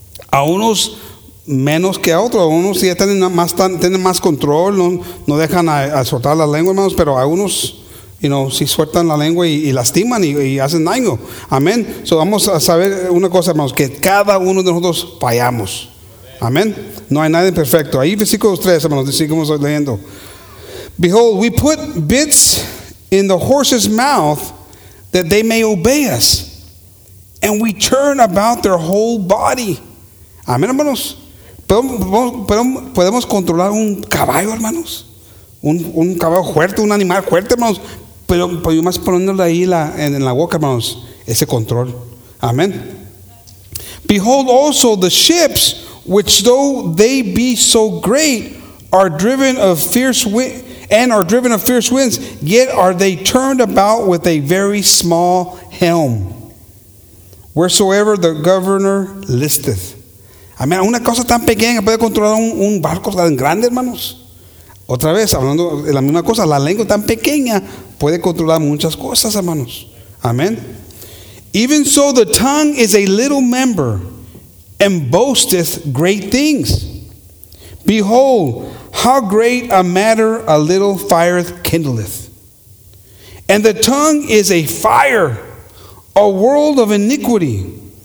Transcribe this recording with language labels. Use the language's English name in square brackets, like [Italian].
[Spanish] A unos menos que a otros, a unos ya tienen más control, no dejan a soltar la lengua, hermanos, pero a unos, si sueltan la lengua y lastiman y hacen daño. Amén. So vamos a saber una cosa, hermanos, que cada uno de nosotros fallamos. Amén. No hay nadie perfecto. Ahí versículo 3, hermanos, seguimos leyendo. [English] Behold, we put bits in the horses' mouth that they may obey us, and we turn about their whole body. [Spanish] Amén, hermanos. ¿Podemos controlar un caballo, hermanos? Un caballo fuerte, un animal fuerte, hermanos. Pero más poniéndole ahí en la boca, hermanos, ese control. Amén. [English] Behold also the ships, which though they be so great, are driven of fierce winds, yet are they turned about with a very small helm, wheresoever the governor listeth. [Spanish] Amén. Una cosa tan pequeña puede controlar un barco tan grande, hermanos. Otra vez, hablando de la misma cosa, la lengua tan pequeña puede controlar muchas cosas, hermanos. Amén. [English] Even so, the tongue is a little member and boasteth great things. Behold, how great a matter a little fire kindleth. And the tongue is a fire, a world of iniquity.